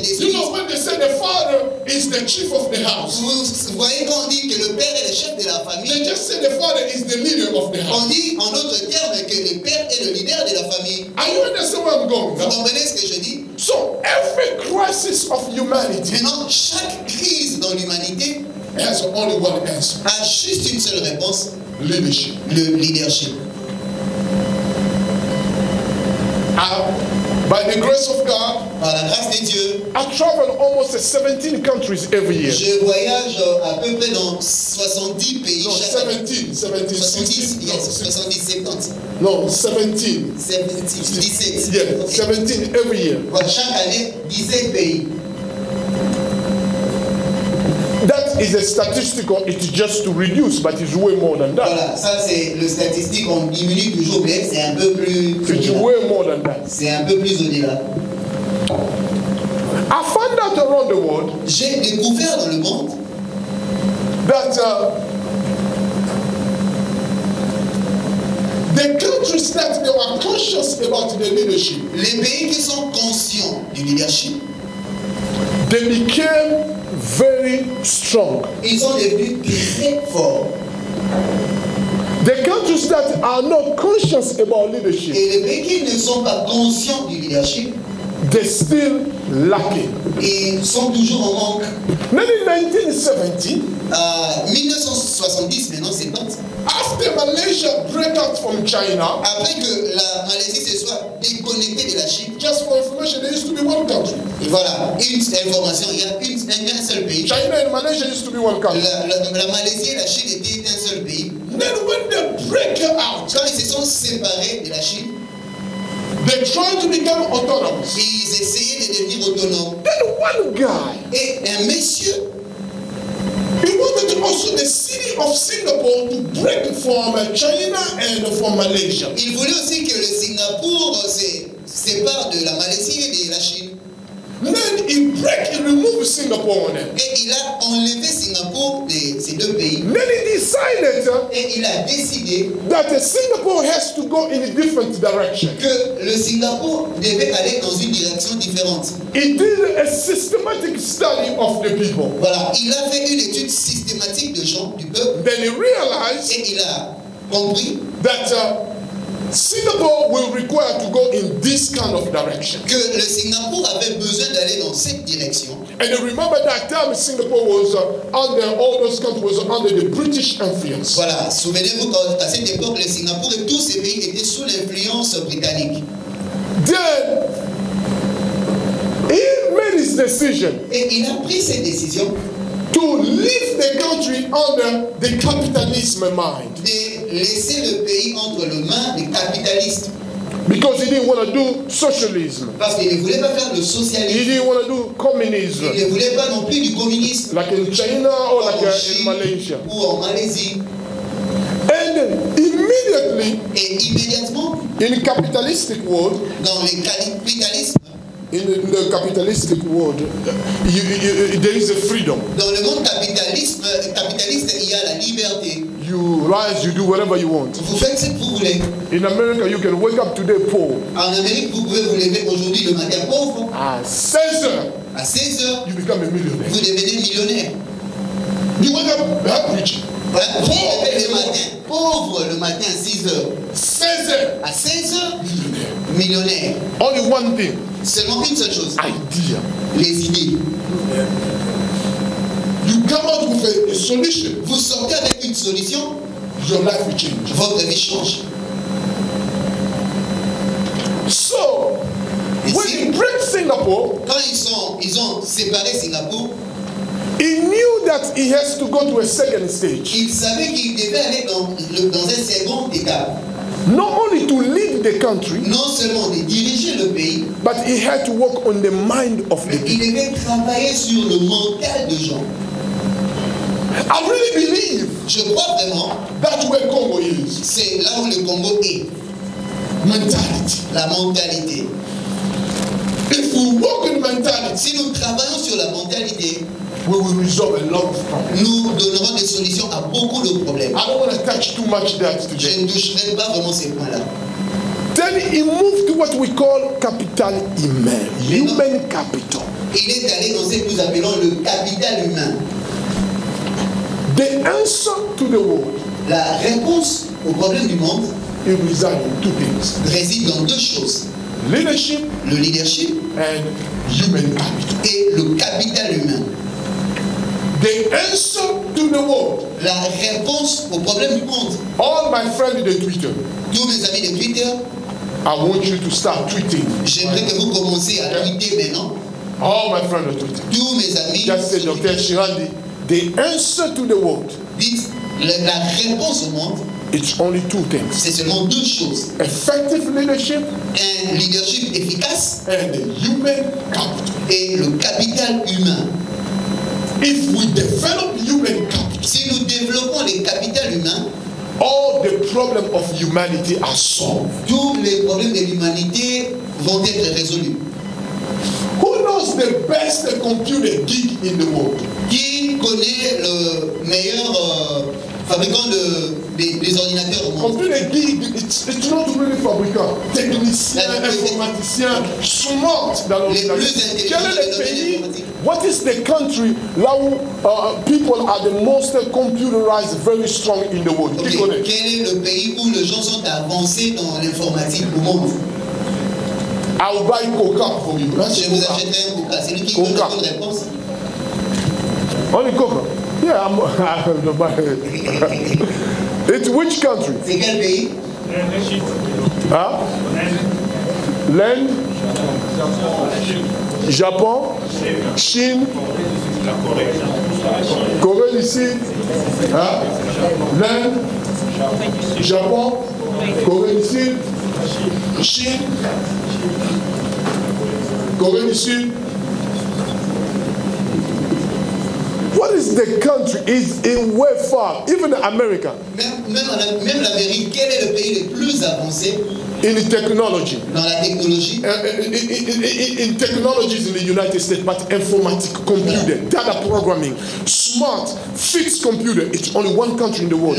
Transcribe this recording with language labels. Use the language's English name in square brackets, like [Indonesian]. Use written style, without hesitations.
[English] destruites. You know when they say the father is the chief of the house. [French] Vous voyez qu'on dit que le père est le chef de la famille. [English] They just say the father is the leader of the house. [French] On dit en d'autres termes que le père est le leader de la famille. [English] Are you understand where I'm going? [French] Vous comprenez ce que je dis? [English] So every crisis of humanity. [French] Maintenant, chaque crise dans l'humanité [English] has only one answer. [French] A juste une seule réponse. [English] Leadership. [French] Le leadership. [English] By the grace of God, [French] par la grâce de Dieu, [English] I travel almost 17 countries every year. [French] Je voyage à peu près dans 70 pays chaque année. [English] 17 every year. [French] Pour chaque année, 17 pays. [English] That is a statistical. It is just to reduce, but it's way more than that. [French] Voilà, ça c'est le statistique. On diminue toujours, mais c'est un peu plus. [English] It's au-delà. Way more than that. [French] C'est un peu plus au-delà. [English] I found out around the world. [French] J'ai découvert dans le monde [English] that the countries that they are conscious about the leadership. [French] Les pays qui sont conscients du leadership. [English] They became very strong. [French] Ils sont devenus très forts. [English] The countries that are not conscious about leadership. [French] Et les pays qui ne sont pas conscients du leadership. [English] They still lacking. [French] Ils sont toujours en manque. [English] Maybe 1970. [French] 1970, maintenant 70. [English] After Malaysia break out from China. [French] Après que la Malaisie se soit déconnectée de la Chine. [English] Just for information, there used to be one country. [French] Et voilà, une information, il y a un seul pays. [English] China and Malaysia used to be one country. [French] La Malaisie et la Chine étaient un seul pays. [English] Then when they break out. [French] Quand ils se sont séparés de la Chine. [English] They tried to become autonomous. [French] Ils essayaient de devenir autonomes. [English] Then one guy. [French] Et un monsieur. [English] He wanted also the city of Singapore to break from China and from Malaysia. [French] Il voulait aussi que le Singapour se sépare de la Malaisie et de la Chine. [English] Then he break and remove Singapore. [French] Et il a enlevé Singapour de ces deux pays. [English] Then he decided. [French] Et il a décidé [English] that Singapore has to go in a different direction. [French] Que le Singapour devait aller dans une direction différente. [English] He did a systematic study of the people. [French] Voilà, il a fait une étude systématique de gens du peuple. [English] Then he realized. [French] Et il a compris [English] that. Singapore will require to go in this kind of direction. [French] Que le Singapour avait besoin d'aller dans cette direction. [English] And you remember that time Singapore was under all those countries was under the British influence. [French] Voilà, souvenez-vous quand à cette époque le Singapour et tous ces pays étaient sous l'influence britannique. [English] Then he made his decision. [French] Et il a pris cette décision [English] to leave the country under the capitalism mind. [French] Laisser le pays entre les mains des capitalistes. [English] Because he didn't want to do socialism. [French] Parce qu'il ne voulait pas faire le socialisme. [English] He didn't want to do communism. [French] Il ne voulait pas non plus du communisme. [English] Like in China or like in Malaysia. [French] Ou en Malaisie. [English] And immediately. [French] Et immédiatement. [English] In capitalistic world. [French] Dans le capitalisme. [English] In the capitalistic world, there is a freedom. [French] Dans le monde capitaliste, il y a la liberté. [English] You rise, you do whatever you want. [French] Vous faites ce que vous voulez. [English] In America, you can wake up today poor. [French] En Amérique, vous pouvez vous lever aujourd'hui de manière pauvre. À 16 heures, [English] you become a millionaire. [French] Vous devenez millionnaire. [English] You wake up rich. Vous [French] vous levez le matin pauvre le matin à 6 heures. 16 heures. À 16 heures. [English] Millionnaire. Only one thing. [French] Seulement une seule chose. [English] Idea. [French] Les idées. [English] You come out with a solution. [French] Vous sortez avec une solution. [English] Your life will change. [French] Votre vie change. [English] So, et when they break Singapore, [French] quand ils ont séparé Singapour, [English] he knew that he has to go to a second stage. [French] Il savait qu'il devait aller dans un second état. [English] Not only to lead the country, [French] non seulement de diriger le pays, [English] but he had to work on the mind of the people. [French] Il devait travailler sur le mental des gens. [English] I really believe, [French] je crois vraiment, [English] that's where Congo is. [French] C'est là où le Congo est. [English] Mentality. [French] La mentalité. [English] If we work on mentality, [French] si nous travaillons sur la mentalité, [English] we will resolve a lot of problems. [French] Nous donnerons des solutions à beaucoup de problèmes. [English] I don't want to touch too much that today. [French] Je ne toucherai pas vraiment ces points-là. [English] Then he moved to what we call capital humain, human capital. [French] Il est allé dans ce que nous appelons le capital humain. [English] The answer to the world. [French] La réponse au problème du monde. [English] It resides in two things. [French] Réside dans deux choses. [English] Leadership. [French] Le leadership. [English] And human capital. [French] Et le capital humain. [English] The answer to the world. [French] La réponse au problème du monde. [English] All my friends in Twitter. [French] Tous mes amis de Twitter. [English] I want you to start tweeting. [French] J'aimerais que vous commenciez à tweeter maintenant. [English] All my friends in Twitter. [French] Tous mes amis. [English] Just say, Dr. Shirandi, the answer to the world. [French] La réponse au monde. [English] It's only two things. [French] C'est seulement deux choses. [English] Effective leadership. [French] Un leadership efficace. [English] And the human capital. [French] Et le capital humain. [English] If we develop human capital, [French] si nous développons le capital humain, [English] all the problems of humanity are solved. [French] Tous les problèmes de l'humanité vont être résolus. [English] Who knows the best computer geek in the world? [French] Qui connaît le meilleur fabricant des ordinateurs au monde? [English] Computer geek, it's not really fabricant. Technicien, informaticien, smart. [French] Les plus intelligents. [English] What is the country where people are the most computerized, very strong in the world? Okay. [French] Quel est le pays où les gens sont avancés dans l'informatique au monde? [English] I will buy Coca for you. [French] Je vous achète un Coca. C'est lui qui donne la bonne réponse. [English] Only Coca. Yeah, I'm the buy it. It's which country? [French] C'est quel pays? Huh? L'Inde. Japon, Chine, la Corée du Sud, hein? L'Inde, Japon, Corée du Sud, Chine, Corée du Sud. [English] What is the country? Is in way far, even America. [French] Même l'Amérique, quel est le pays le plus avancé? [English] In technology. [French] Dans la technologie. [English] In technology is in the United States, but informatic, computer, data programming, smart, fixed computer, it's only one country in the world.